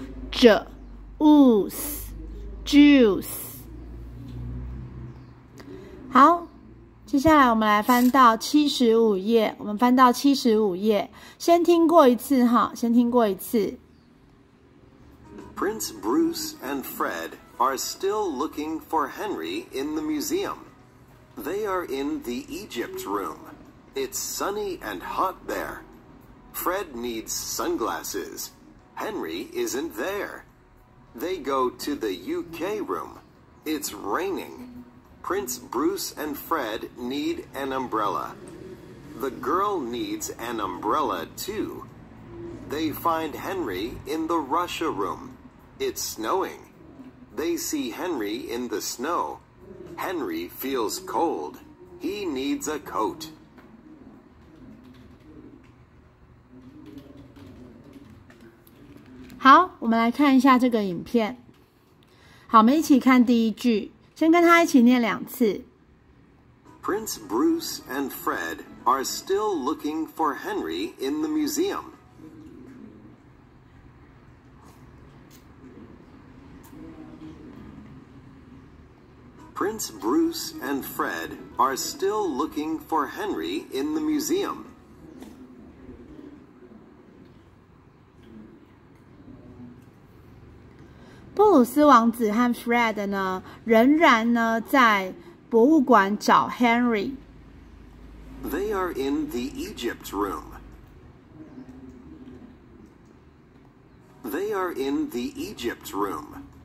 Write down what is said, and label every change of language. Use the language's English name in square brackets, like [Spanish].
[English] Juice. Juice. [Chinese] 好，接下来我们来翻到75页，我们翻到75页，先听过一次哈，先听过一次。 [English] Prince Bruce and Fred are still looking for Henry in the museum. They are in the Egypt room. It's sunny and hot there. Fred needs sunglasses. Henry isn't there. They go to the UK room. It's raining. Prince Bruce and Fred need an umbrella. The girl needs an umbrella too. They find Henry in the Russia room. It's snowing. They see Henry in the snow. Henry feels cold. He needs a coat. How? [Chinese] 我们来看一下这个影片。好，我们一起看第一句，先跟他一起念两次。 [English] Prince Bruce and Fred are still looking for Henry in the museum. Prince Bruce and Fred are still looking for Henry in the museum. [Chinese] Bruce 王子和 Fred 呢，仍然呢在博物馆找 Henry. [English] They are in the Egypt room. They are in the Egypt room.